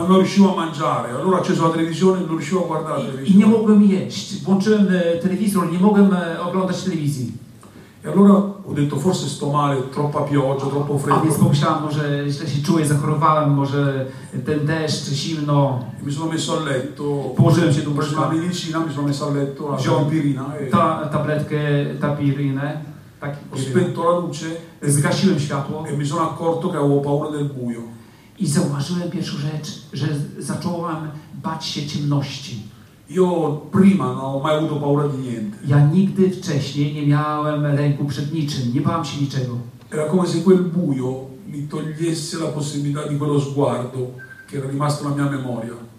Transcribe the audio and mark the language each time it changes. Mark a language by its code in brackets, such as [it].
[it] Ma non riuscivo a mangiare, allora ho acceso la televisione e non riuscivo a guardare la televisione. [pl] I nie mogłem jeść, włączyłem telewizor, nie mogłem oglądać telewizji. [it] E allora ho detto forse sto male, troppa pioggia, troppo freddo. [pl] A więc pomyślałem, może źle się czuję, zachorowałem, może ten deszcz, zimno. [it] E mi sono messo a letto. [pl] Położyłem się do łóżka. Prosiłem [it] medycina, mi sono messo a letto, la tapirina. [pl] Tabletkę tapirinę. Tak, [it] ho spento la luce. [pl] Zgasiłem światło. [it] E mi sono accorto che avevo paura del buio. [pl] I zauważyłem pierwszą rzecz, że zacząłem bać się ciemności. [it] Io prima non ho mai avuto paura di niente. [pl] Ja nigdy wcześniej nie miałem lęku przed niczym, nie bałem się niczego. [it] Era come se quel buio mi togliesse la possibilità di quello sguardo che era rimasto nella mia memoria.